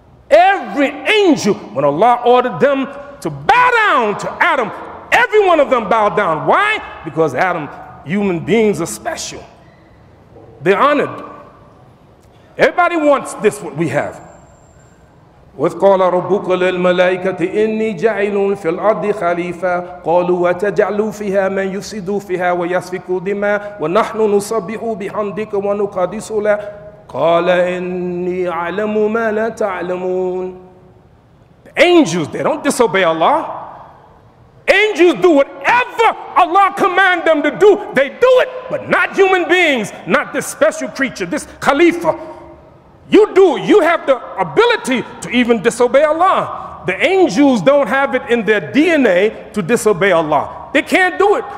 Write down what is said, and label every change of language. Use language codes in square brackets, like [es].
[en] Every angel, when Allah ordered them to bow down to Adam, every one of them bowed down. Why? Because Adam, human beings are special. They're honored. Everybody wants this, what we have. [ar] وَقَالَ رَبُّكَ لِلْمَلَائِكَةِ إِنِّي جَعِلٌ فِي الْأَرْضِ خَلِيفَةً قَالُوا وَتَجْعَلُ فِيهَا مَنْ يُفْسِدُ فِيهَا وَيَسْفِكُ الدِّمَاءَ وَنَحْنُ نُصَبِّحُ بِحَمْدِكَ وَنُقَدِّسُ لَكَ قَالَ إِنِّي أَعْلَمُ مَا لَا تَعْلَمُونَ [en] The angels, they don't disobey Allah. Angels do whatever Allah command them to do, they do it, but not human beings, not this special creature, this Khalifa. You do, you have the ability to even disobey Allah. The angels don't have it in their DNA to disobey Allah. They can't do it.